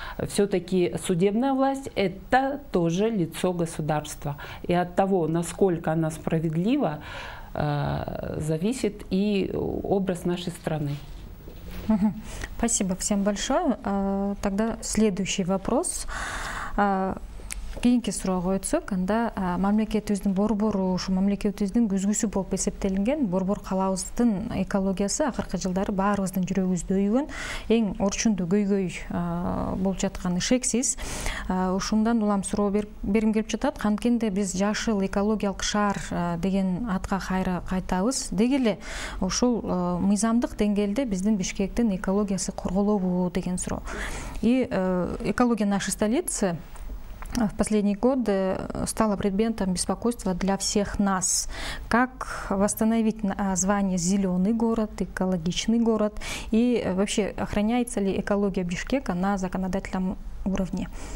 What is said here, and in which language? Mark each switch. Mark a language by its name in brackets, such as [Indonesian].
[Russian] Все-таки судебная власть – это тоже лицо государства. И от того, насколько она справедлива, зависит и образ нашей страны. Спасибо всем большое. Тогда следующий вопрос. [Kyrgyz] Кийинки суроого өтсөк, анда мамлекетибиздин борбору, ушу мамлекетибиздин көзгүсү болуп эсептелинген борбор калаабыздын экологиясы акыркы жылдары баарыбыздын жүрөгүбүздө үйгөн эң орчундуу көйгөй болуп жатканы шексиз. Ушундан улам суроо бергим келип жатат. Канткенде биз жашыл экологиялык шаар деген атка кайра кайтабыз. Деги эле ушул мыйзамдык деңгээлде биздин Бишкектин экологиясы корголобу деген суроо. [Russian] И экология нашей столицы в последние годы стало предметом беспокойства для всех нас. Как восстановить звание «зеленый город», «экологичный город» и вообще охраняется ли экология Бишкека на законодательном уровне?